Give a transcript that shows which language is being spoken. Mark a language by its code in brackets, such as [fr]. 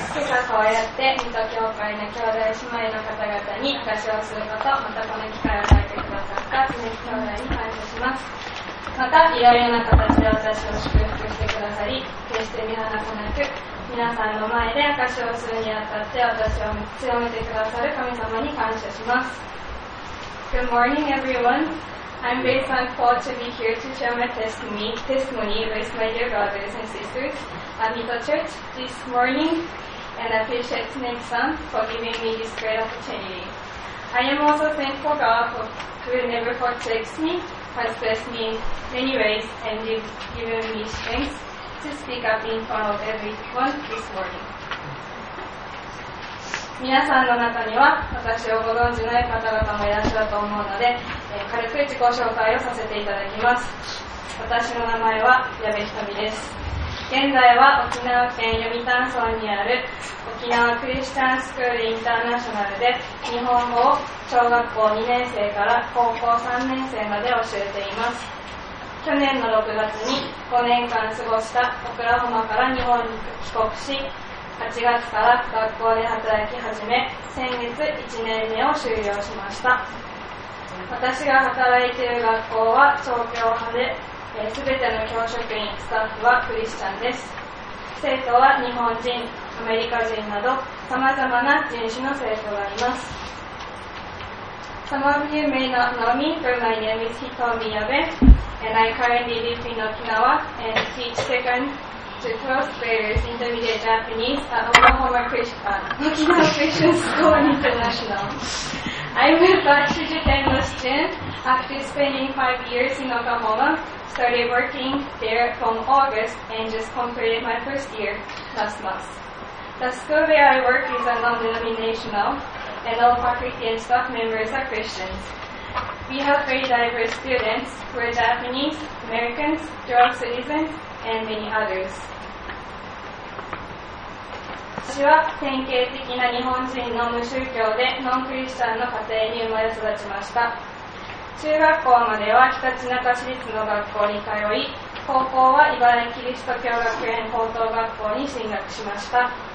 [ja] 今朝こうやって水戸教会の兄弟姉妹の方々に証をすること、またこの機会を与えてくださった常木兄弟に感謝します。またいろいろな形で私を祝福してくださり、決して見放さなく、皆さんの前で証をするにあたって私を強めてくださる神様に感謝します。 [en] Good morning everyone. I'm very thankful to be here to share my testimony with my dear brothers and sisters at Mito Church this morning, and I appreciate Tsunemi-san for giving me this great opportunity. I am also thankful God who never forsakes me, has blessed me in many ways and given me strength to speak up in front of everyone this morning. [ja] 皆さんの中には私をご存じない方々もいらっしゃると思うので、軽く自己紹介をさせていただきます。私の名前は矢部瞳です。現在は沖縄県読谷村にある沖縄クリスチャンスクールインターナショナルで日本語を小学校2年生から高校3年生まで教えています。去年の6月に5年間過ごしたオクラホマから日本に帰国し、8月から学校で働き始め、先月1年目を終了しました。私が働いている学校は東京派で、全ての教職員スタッフはクリスチャンです。生徒は日本人、アメリカ人など様々な人種の生徒がいます。 [en] Some of you may not know me, but my name is Hitomi Yabe and I currently live in Okinawa and teach secondto 12th graders intermediate Japanese at Oklahoma Christian School International. I moved back to Japan as a student after spending 5 years in Oklahoma, started working there from August, and just completed my first year last month. The school where I work is a non-denominational, and all faculty and staff members are Christians. We have very diverse students who are Japanese, Americans, dual citizens, and many others. [ja] 私は典型的な日本人の無宗教でノンクリスチャンの家庭に生まれ育ちました。中学校まではひたちなか市立の学校に通い、高校は茨城キリスト教学園高等学校に進学しました。